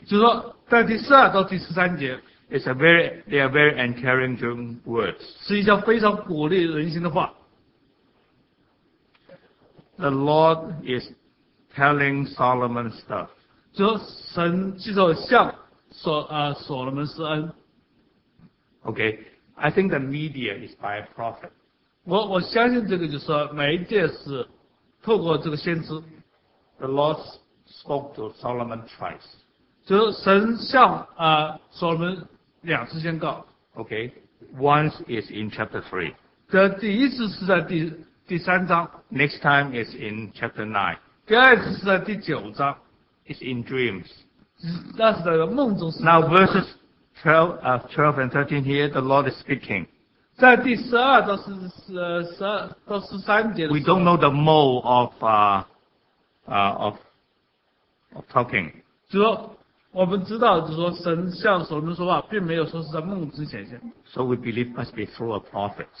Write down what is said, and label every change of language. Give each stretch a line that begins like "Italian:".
Chinese: 就说在第十二到第十三节。
English: It's a very, they are very encouraging words.
Chinese: 是一些非常鼓励人心的话。
English: The Lord is telling Solomon stuff.
Chinese: 就神就说向所罗门施恩。
English: Okay, I think the media is by a prophet.
Chinese: 我相信这个就是说媒介是透过这个先知。
English: The Lord spoke to Solomon twice.
Chinese: 就是神向所罗门两次宣告。
English: Okay, once is in chapter 3.
Chinese: 这第一次是在第三章。
English: Next time is in chapter 9.
Chinese: 第二次是在第九章。
English: is in dreams. That's the
Chinese: 梦中是.
English: Now verses 12 and 13 here, the Lord is speaking.
Chinese: 在第十二到十三节的时候,
English: we don't know the mode of talking.
Chinese: 就说, 我们知道就是说神向所人说话并没有说是在梦之显现,
English: so we believe must be through a prophet.